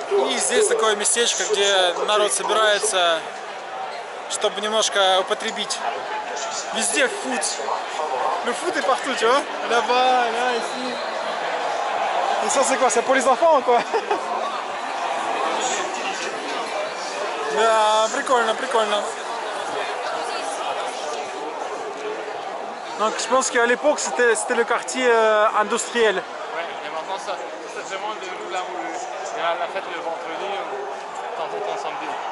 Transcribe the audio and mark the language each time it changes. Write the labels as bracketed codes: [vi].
[ru] И здесь такое местечко, где народ собирается, чтобы немножко употребить. Везде фуд. [fr] Le foot est partout, tu vois? Là-bas, là, ici. Et ça, c'est quoi? C'est pour les enfants ou quoi? [ru] Да, прикольно, прикольно. [fr] Donc, je pense qu'à l'époque, c'était le quartier industriel. Ouais, mais maintenant, ça, c'est vraiment le lieu là où il y a la fête le vendredi, quand on est samedi.